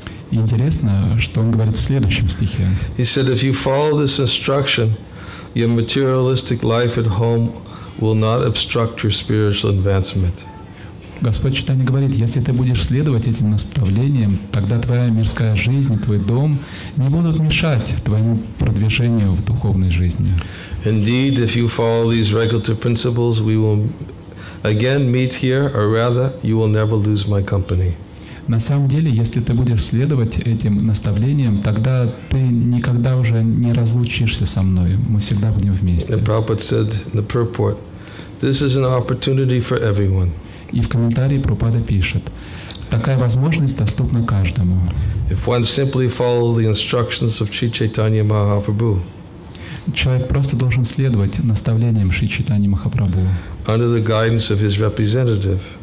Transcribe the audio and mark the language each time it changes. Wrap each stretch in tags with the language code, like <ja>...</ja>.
<ru>Интересно, что он говорит в следующем стихе.</ru> <en>He said, if you follow this instruction, your materialistic life at home will not obstruct your spiritual advancement.</en> <ru>Господь Чайтанья говорит, если ты будешь следовать этим наставлениям, тогда твоя мирская жизнь, твой дом не будут мешать твоему продвижению в духовной жизни.</ru> <en>Indeed, if you follow these regulative principles, we will again meet here, or rather, you will never lose my company.</en> <ru>На самом деле, если ты будешь следовать этим наставлениям, тогда ты никогда уже не разлучишься со мной. Мы всегда будем вместе.</ru> <en>The Prabhupada said in the purport, this is an opportunity for everyone.</en> <ru>И в комментарии Прабхупада пишет, такая возможность доступна каждому.</ru> <en>If one simply follows the instructions of Sri Chaitanya Mahaprabhu,</en> <ru>человек просто должен следовать наставлениям Шри Чайтаньи Махапрабху.</ru> <en>Under the guidance of his representative,</en>